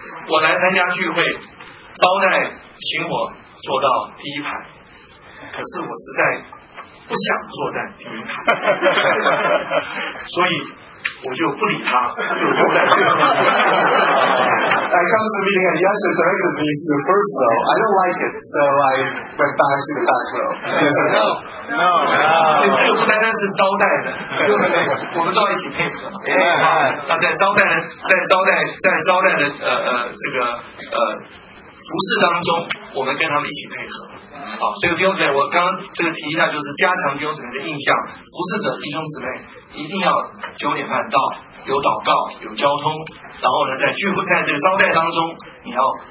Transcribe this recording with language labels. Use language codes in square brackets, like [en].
[zh] 我来参加聚会，招待请我坐到第一排，可是我实在。不想坐在第一排，所以我就不理他，就坐在最后一 [en] 排。I come to the meeting and Yasha directed me to the first row. I don't like it, so I went back to the back row. Yes or no? No. [zh] 这个不单单是招待的，我们都要一起配合。在招待的，在招待的这个服事当中，我们跟他们一起配合。好，所以弟兄姊妹，我刚刚这个提一下，就是加强弟兄姊妹的印象，服事者弟兄姊妹一定要九点半到，有祷告，有交通，然后呢，在聚会在这个招待当中，你要